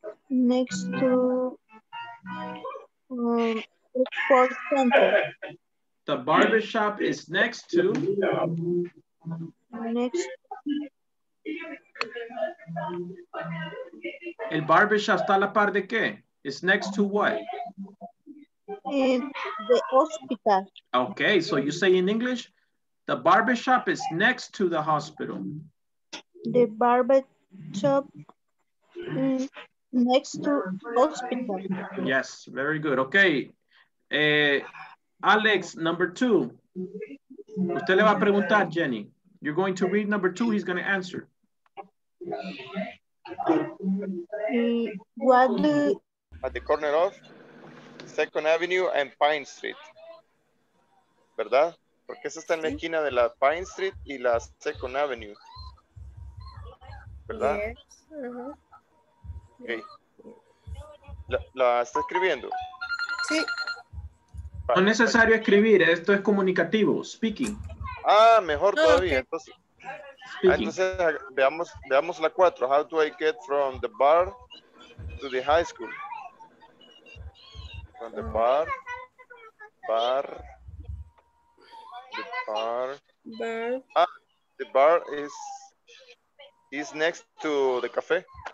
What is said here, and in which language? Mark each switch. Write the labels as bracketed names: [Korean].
[English] Next to. Sports center. The barbershop is next to. Next. [Spanish] El barbershop está a la par de qué? [English] It's next to what? The hospital. Okay, so you say in English, the barbershop is next to the hospital. The barbershop next to hospital. Yes, very good. Okay. Alex, number two. [Spanish] Usted le va a preguntar, [English] Jenny. You're going to read number two, he's going to answer. What do at the corner of Second Avenue and Pine Street, [Spanish] ¿verdad? Porque esa está en la esquina de la Pine Street y la Second Avenue, ¿verdad? [English] Yes. [Spanish] Uh-huh. Okay. ¿La está escribiendo? Sí. No es necesario escribir, esto es comunicativo, speaking. Ah, mejor todavía, entonces. Entonces, veamos la cuatro. [English] How do I get from the bar to the high school? From the bar. Ah, the bar is next to the cafe.